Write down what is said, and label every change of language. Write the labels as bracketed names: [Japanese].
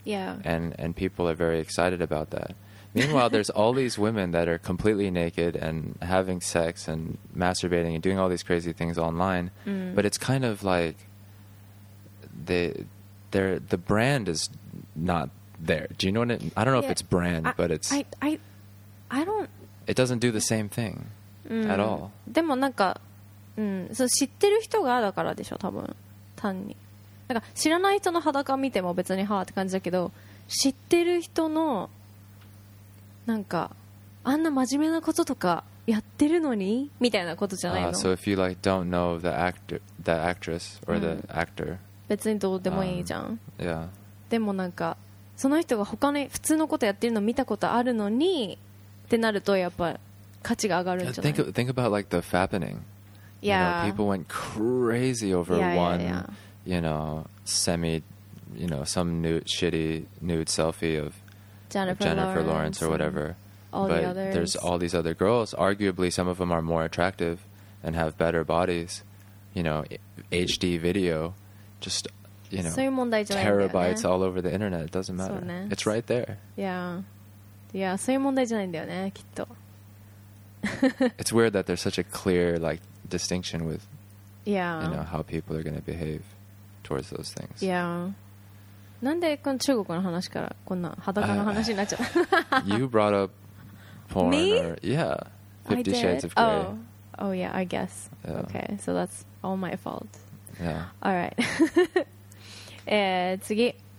[English] And people are very excited about that. Meanwhile, there's all these women that are completely naked and having sex and masturbating and doing all these crazy things online. But it's kind of like the brand is not there. Do you know what I don't know if it's brand, but it's... I don't... It doesn't do the same thing. At all. [Japanese] でもなんか、そう知ってる人がだからでしょ、多分単になんか知らない人の裸見ても別にはーって感じだけど、知ってる人のなんかあんな真面目なこととかやってるのにみたいなことじゃないの。 [English] So if you like don't know the actor, the actress or the actor, [Japanese] 別にどうでもいいじゃん。でもなんかその人が他の普通のことやってるの見たことあるのにってなるとやっぱ価値が上がるんじゃない。 [English] Think about like the fappening. You know, people went crazy over you know, semi, you know, some nude, shitty nude selfie of Jennifer Lawrence or whatever. But there's all these other girls. Arguably, some of them are more attractive and have better bodies. You know, HD video, just, you know, terabytes all over the internet. It doesn't matter. It's right there. Yeah, [Japanese] そういう問題じゃないんだよね、きっと。 [English] It's weird that there's such a clear like distinction with, you know, how people are going to behave towards those things. [Japanese] なんでこの中国の話からこんな裸の話になっちゃった。 [English] You brought up porn. Me? Or, yeah. Fifty Shades of Grey. Oh yeah, I guess. Yeah. Okay, so that's all my fault. Yeah. All right. [Japanese] 次。